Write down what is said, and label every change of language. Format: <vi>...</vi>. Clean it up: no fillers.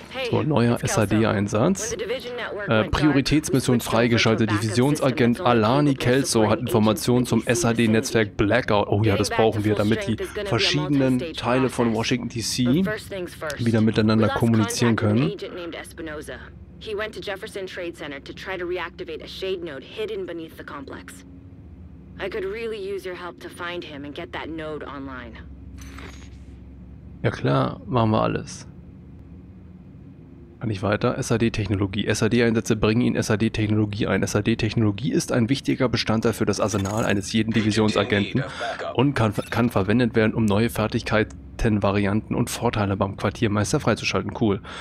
<de>So, neuer SAD-Einsatz. Prioritätsmission freigeschaltet. Divisionsagent Alani Kelso hat Informationen zum SAD-Netzwerk Blackout. Oh ja, das brauchen wir, damit die verschiedenen Teile von Washington DC wieder miteinander kommunizieren können.</de> <en>He went to Jefferson Trade Center to try to reactivate a shade node hidden beneath the complex. I could really use your help to find him and get that node online.</en> <de>Ja klar, machen wir alles. Kann ich weiter? SAD-Technologie. SAD-Einsätze bringen Ihnen SAD-Technologie ein. SAD-Technologie ist ein wichtiger Bestandteil für das Arsenal eines jeden Divisionsagenten und kann verwendet werden, um neue Fertigkeiten, Varianten und Vorteile beim Quartiermeister freizuschalten. Cool.</de>